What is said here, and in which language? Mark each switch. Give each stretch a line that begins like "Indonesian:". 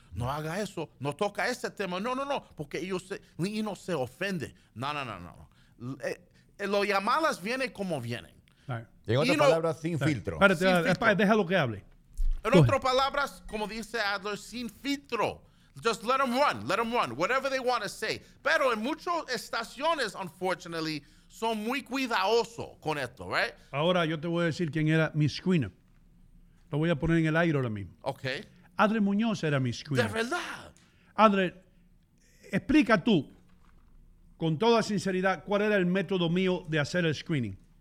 Spanish: No haga eso, no toca ese tema. No, porque Lino se ofende. No. Los llamadas vienen como vienen. Right. En otras palabras, sin filtro. Espérate, déjalo que hable. En otras palabras, como dice Adler, sin filtro.
English: Just let them run, whatever they want to say.
Spanish: Pero en muchas estaciones, unfortunately, son muy cuidadosos con esto, right? Ahora yo te voy a decir quién era mi screener. Lo voy a poner en el aire ahora mismo. Ok. Adler Muñoz era mi screener. De verdad. Adler, explica tú, con toda sinceridad, cuál era el método mío de hacer el screening.